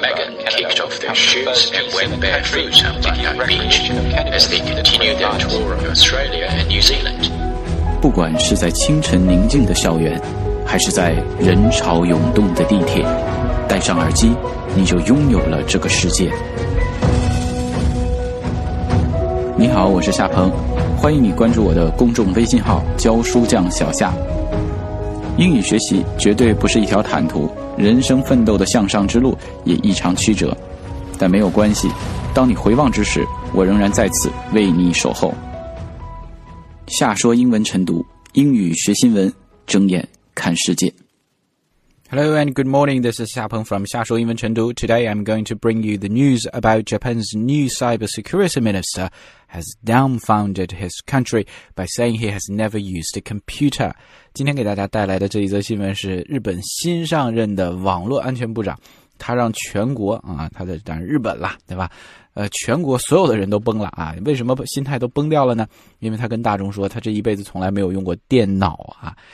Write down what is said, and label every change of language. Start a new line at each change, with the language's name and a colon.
English: Megan kicked off their shoes and went barefoot on the beach as they continued their tour of Australia and New Zealand.
Chinese: 不管是在清晨宁静的校园，还是在人潮涌动的地铁，戴上耳机，你就拥有了这个世界。你好，我是夏鹏，欢迎你关注我的公众微信号教书匠小夏。英语学习绝对不是一条坦途，人生奋斗的向上之路也异常曲折，但没有关系，当你回望之时，我仍然在此为你守候。夏说英文晨读，英语学新闻，睁眼看世界。
English: Hello and good morning, this is Xiaopeng from 夏说英文晨读。 Today I'm going to bring you the news about Japan's new cybersecurity minister has dumbfounded his country by saying he has never used a computer.
Chinese: 今天给大家带来的这一则新闻是日本新上任的网络安全部长，他让全国啊，他的当然日本啦，对吧？全国所有的人都崩了啊！为什么心态都崩掉了呢？因为他跟大众说，他这一辈子从来没有用过电脑啊。